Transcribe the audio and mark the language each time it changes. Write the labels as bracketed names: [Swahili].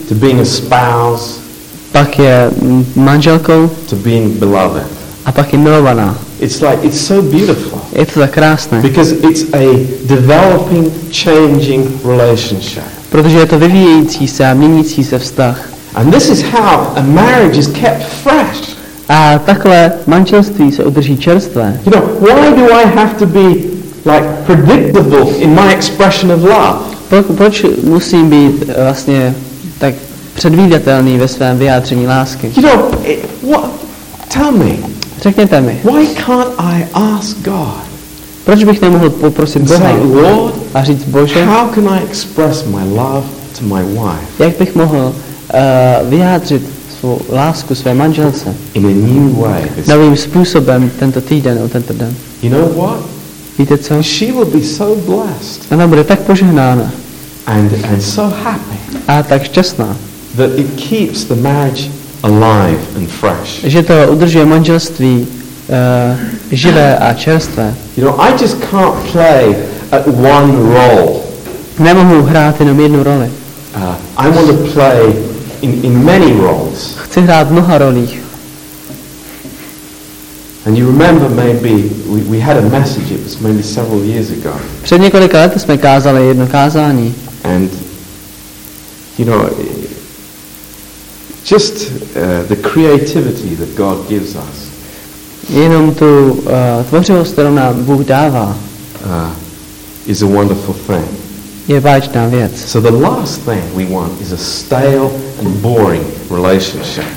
[English] To being a spouse. [Czech] Pak je manželkou. [English] To being beloved. [Czech] A pak je milovaná. [English] It's like, it's so beautiful. [Czech] Je to tak krásné. [English] Because it's a developing, changing relationship. [Czech] Protože je to vyvíjející se a měnící se vztah. [English] And this is how a marriage is kept fresh. [Czech] A takhle manželství se udrží čerstvé. [English] You know, why do I have to be like predictable in my expression of love? [Czech] Proč musím být vlastně tak předvídatelný ve svém vyjádření lásky? [English] You know, what? Tell me. [Czech] Řekněte mi. [English] Why can't I ask God? [Czech] Proč bych nemohl poprosit Boha a říct, Bože, [English] how can I express my love to my wife? [Czech] Jak bych mohl vyjádřit svou lásku své manželce? [English] In a new way. [Czech] Novým způsobem tento týden, tento den. [English] You know what? [Czech] Víte co? [English] She will be so blessed. [Czech] Ona bude tak požehnána. [English] And so happy. [Czech] A tak šťastná. [English] That it keeps the marriage alive and fresh. [Czech] Že to udržuje manželství živé a čerstvé. [English] You know, I just can't play at one role. [Czech] Nemohu hrát jenom jednu roli. [English] I want to play in many roles. [Czech] Chci hrát mnoha rolích. [English] And you remember maybe we had a message, it was maybe several years ago. [Czech] Před několika lety jsme kázali jedno kázání. [English] And you know, just the creativity that God gives us. [Czech] Jenom tu tvořivost, kterou nám Bůh dává, [English] is a wonderful thing. [Czech] Je báječná věc. [English] So the last thing we want is a stale and boring relationship.